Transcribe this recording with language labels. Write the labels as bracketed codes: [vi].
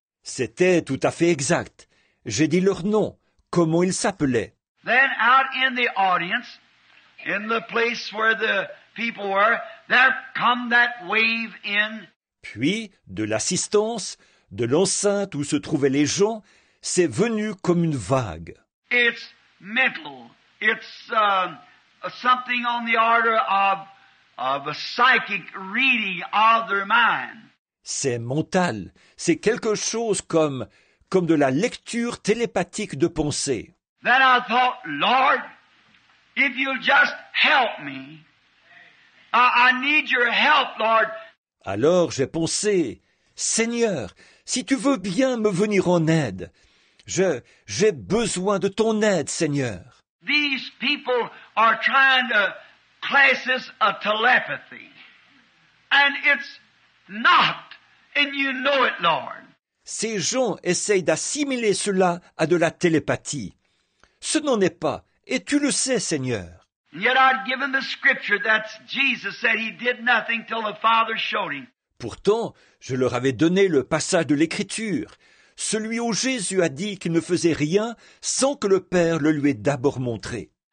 [fr] C'était tout à fait exact. J'ai dit leur nom, comment ils s'appelaient. [en] Then out in the audience, in the place where the people were, there come that wave in. [fr] Puis, de l'assistance, de l'enceinte où se trouvaient les gens, c'est venu comme une vague. [en] It's mental. It's something on the order of a psychic reading of their mind. [fr] C'est mental. C'est quelque chose comme de la lecture télépathique de pensée. [en] Then I thought, Lord, if you'll just help me, I need your help, Lord. [fr] Alors j'ai pensé, Seigneur, si tu veux bien me venir en aide, j'ai besoin de ton aide, Seigneur. [en] These people are trying to class this a telepathy. And it's not, and you know it, Lord. [fr] Ces gens essayent d'assimiler cela à de la télépathie. Ce n'en est pas, et tu le sais, Seigneur. [en] And yet I've given the scripture that Jesus said he did nothing till the Father showed him. [fr] Pourtant, je leur avais donné le passage de l'Écriture. Celui où Jésus a dit qu'il ne faisait rien sans que le Père le lui ait d'abord montré.